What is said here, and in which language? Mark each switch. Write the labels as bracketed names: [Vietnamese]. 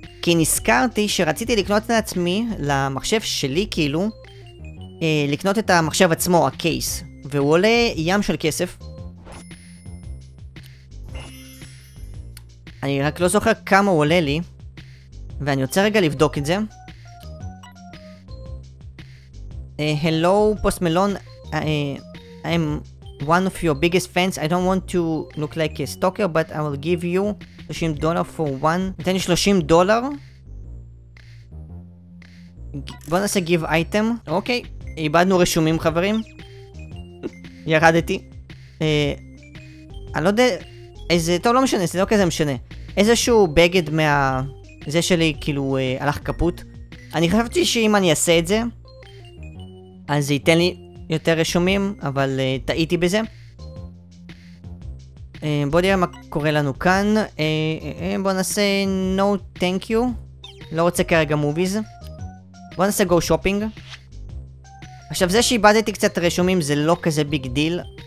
[Hebrew] כי נזכרתי שרציתי לקנות לעצמי, למחשב שלי כאילו, לקנות את המחשב עצמו, הקייס. והוא עולה ים של כסף. אני רק לא זוכר כמה הוא עולה לי, ואני רוצה רגע לבדוק את זה. [English] Hello, Post Malone, I'm one of your biggest fans. I don't want to look like a stalker, but I will give you $30 for one. [Hebrew] נתן לי $30. בוא נעשה [English] give item. [Hebrew] אוקיי, איבדנו רשומים חברים. ירדתי. אני לא יודע איזה, טוב לא משנה, זה לא כזה משנה. איזשהו בגד מה... זה שלי כאילו הלך קפוט. אני חשבתי שאם אני אעשה את זה, אז זה ייתן לי יותר רשומים, אבל טעיתי בזה. בוא נראה מה קורה לנו כאן. בוא נעשה [English] no thank you. [Hebrew] לא רוצה כרגע מוביז. בוא נעשה [English] go shopping. [Hebrew] עכשיו זה שאיבדתי קצת רשומים זה לא כזה ביג דיל.